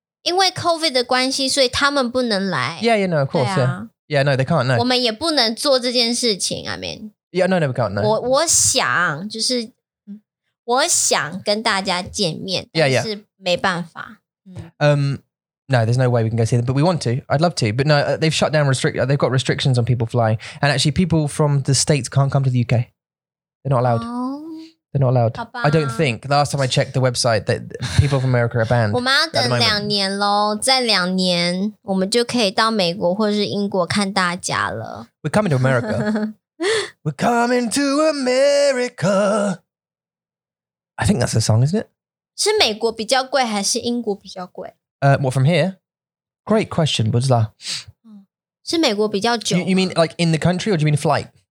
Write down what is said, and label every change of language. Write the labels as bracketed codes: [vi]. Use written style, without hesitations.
[zh] 因为 COVID 的关系，所以他们不能来。 [en] Yeah, yeah, no, of course. [zh] 对啊。 [en] Yeah, no, they can't. No. [zh] 我们也不能做这件事情。 [en] I mean. Yeah, no, no, we can't. No. [zh] 我想就是。我想跟大家见面，但是没办法。 [en] No, there's no way we can go see them, but we want to. I'd love to, but no, they've shut down restrictions. They've got restrictions on people flying, and actually, people from the States can't come to the UK. They're not allowed. Oh, they're not allowed. [zh] 好吧。 [en] I don't think. Last time I checked the website, that people from America are banned. [zh] 我们要等两年喽，再两年，我们就可以到美国或是英国看大家了。 [en] We're coming to America. We're coming to America. I think that's the song, isn't it? [zh] 是美国比较贵还是英国比较贵？ [en] What from here? Great question, [zh] 不知道。是美国比较久。 [en] You mean like in the country or do you mean flight?